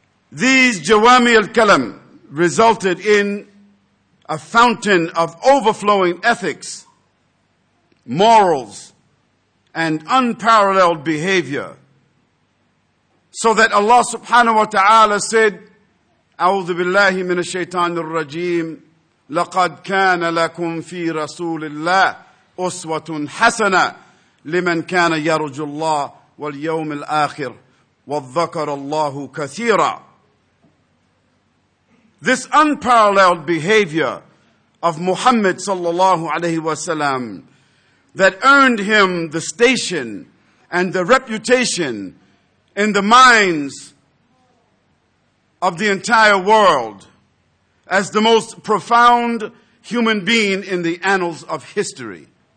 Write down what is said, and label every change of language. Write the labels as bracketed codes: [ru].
[en] These Jawami al-Kalam resulted in a fountain of overflowing ethics, morals, and unparalleled behavior. So that Allah subhanahu wa ta'ala said, [ar] أعوذ بالله من الشيطان الرجيم لقد كان لكم في رسول الله أسوة حسنة لمن كان يرجو الله واليوم الآخر وذكر الله كثيرا. [en] This unparalleled behavior of Muhammad sallallahu alayhi wa sallam that earned him the station and the reputation in the minds of the entire world as the most profound human being in the annals of history.